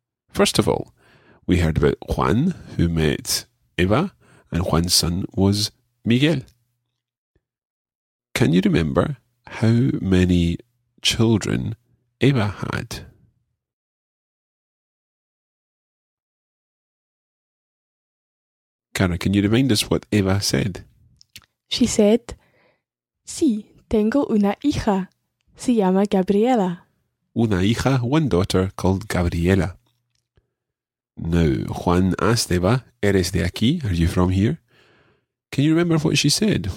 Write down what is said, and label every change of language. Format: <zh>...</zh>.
<en>First of all, we heard about Juan, who met Eva, and Juan's son was Miguel. Can you remember how many children Eva had? Cara, can you remind us what Eva said?</en> <es>She said, "Sí, tengo una hija. Se llama Gabriela." Una hija,</es> <en>one daughter called Gabriela. Now, Juan asked Eva,</en> <es>"Eres de aquí?</es> <en>Are you from here?" Can you remember what she said?</en>